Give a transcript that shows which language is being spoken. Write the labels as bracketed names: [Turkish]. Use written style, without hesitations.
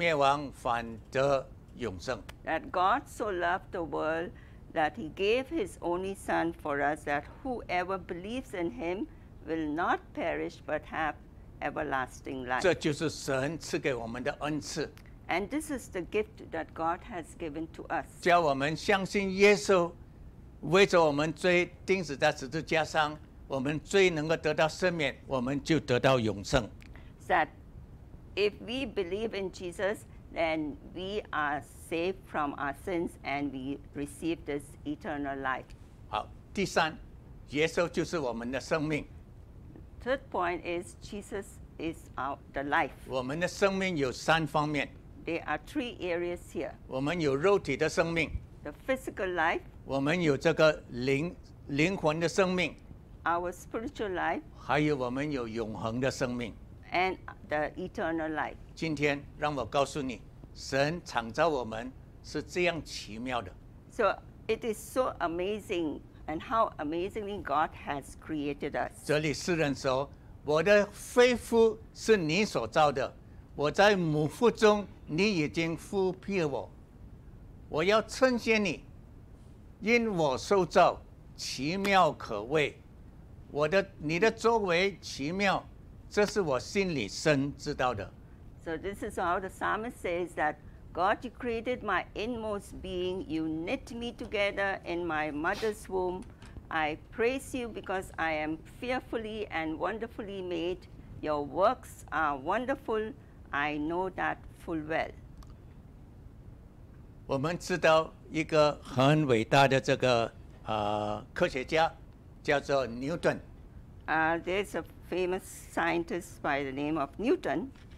[Chinese] 神爱世人，甚至将他的独生子赐给他们，叫一切信他的人不至灭亡，反得永生。That [English] God so loved the world that he gave his only Son for us, that whoever believes in him will not perish but have everlasting life. [Chinese] 这就是神赐给我们的恩赐。And [English] this is the gift that God has given to us. [Chinese] 叫我们相信耶稣为着我们罪钉死在十字架上。我们罪能够得到赦免，我们就得到永生。That [English] if we believe in Jesus, then we are saved from our sins and we receive this eternal life. [Chinese] 好，第三，耶稣就是我们的生命。 [English] Third point is Jesus is our the life. [Chinese] 我们的生命有三方面。 [English] There are three areas here. [Chinese] 我们有肉体的生命。 [English] The physical life. [Chinese] 我们有这个灵魂的生命。 [English] Our spiritual life. [Chinese] 还有我们有永恒的生命。 [English] And the eternal life. [Chinese] 今天让我告诉你， 神创造我们是这样奇妙的。 [English] So it is so amazing. And how amazingly God has created us. [Chinese] 这里诗人说， 我的肺腑是你所造的， 我在母腹中， 你已经覆庇我， 我要称谢你， 因我受造， 奇妙可畏， 我的， 你的作为奇妙， 这是我心里深知道的。 [English] So this is how the psalmist says that God, you created my inmost being. You knit me together in my mother's womb. I praise you because I am fearfully and wonderfully made. Your works are wonderful. I know that full well. [Chinese] 我们知道一个很伟大的这个科学家叫做牛顿。 [English] There's a famous scientist by the name of Newton.